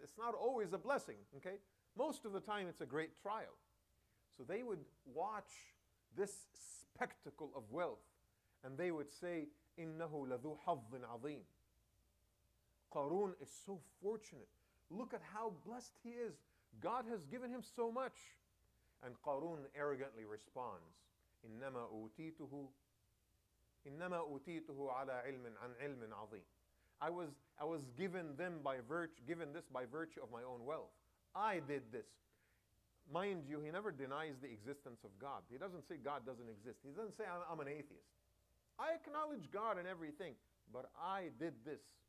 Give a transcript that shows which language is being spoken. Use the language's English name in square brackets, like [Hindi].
[English] It's not always a blessing, okay? Most of the time, it's a great trial. So they would watch this spectacle of wealth, and they would say, [Arabic] إِنَّهُ لَذُو حَظٍ عَظِيمٍ. [English] Qarun is so fortunate. Look at how blessed he is. God has given him so much. And Qarun arrogantly responds, [Arabic] إِنَّمَا أُوتِيتُهُ عَلَى عِلْمٍ عَنْ عِلْمٍ عَظِيمٍ. [English] I was given them by virtue, given this by virtue of my own wealth. I did this. Mind you, he never denies the existence of God. He doesn't say God doesn't exist. He doesn't say I'm an atheist. I acknowledge God and everything, but I did this.